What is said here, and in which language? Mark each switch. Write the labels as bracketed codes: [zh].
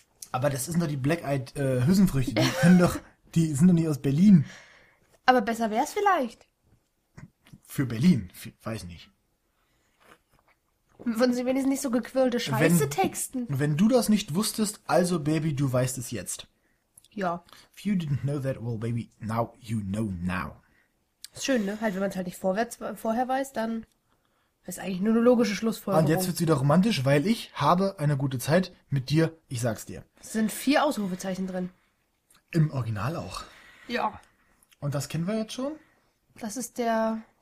[de] Aber das sind doch die Black-Eyed Hülsenfrüchte. Die können doch, die sind doch nicht aus Berlin. Aber besser wär's vielleicht. Für Berlin, weiß nicht. Würden Sie wenigstens nicht so gequirlte Scheiße texten? Wenn du das nicht wusstest, also Baby, du weißt es jetzt. Ja. [en] If you didn't know that, well, baby, now you know now. [de] Ist schön, ne? Halt, wenn man es halt nicht vorher weiß, dann ist eigentlich nur eine logische Und jetzt Schlussfolgerung. wird's wieder romantisch, weil ich habe eine gute Zeit mit dir, ich sag's dir. Es sind vier Ausrufezeichen drin. Im Original auch. Ja. Und das kennen wir jetzt schon. Das ist der.